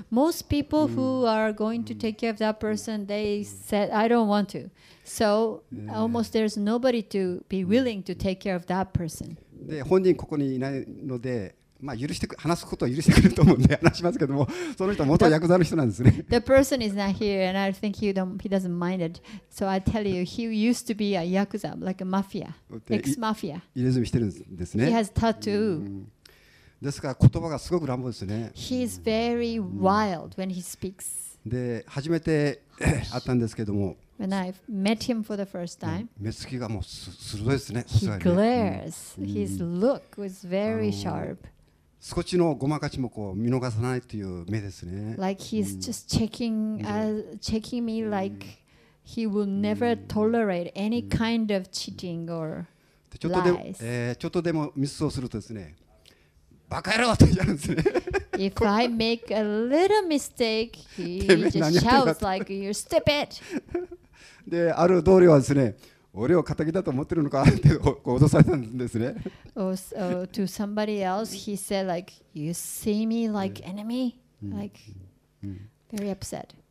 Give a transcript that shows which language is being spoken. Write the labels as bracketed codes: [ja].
[en] Most people who are going to take care of that person, they said, I don't want to. So almost there's nobody to be willing to take care of that person. [ja] で、本人ここにいないので。まあ、許して話すことは許してくれると思うんで話しますけども、その人は元ヤクザの人なんですね。 [en] The person is not here and I think he doesn't mind it. So I tell you, he used to be a yakuza, like a mafia, ex-mafia. [ja] 入れ墨してるんですね。 [en] He has tattoo. [ja] ですから言葉がすごく乱暴ですね。 [en] He is very wild when he speaks. [ja] で、初めて会ったんですけども、 [en] When I met him for the first time, [ja] 目つきがもう鋭いですね。 [en] He glares. His look was very sharp. [ja] 少しのごまかしもこう見逃さないという目ですね。 [en] Like he's just checking me like he will never tolerate any kind of cheating or lies. [ja] ちょっとでも、ちょっとでもミスをするとですね、バカ野郎と言うんですね。 [en] If I make a little mistake, he just shouts like you're stupid. [ja] で、ある通りはですね、俺を仇だと思ってるのかって脅されたんですね。 [en] To somebody else, he said like, you see me like enemy, like very upset.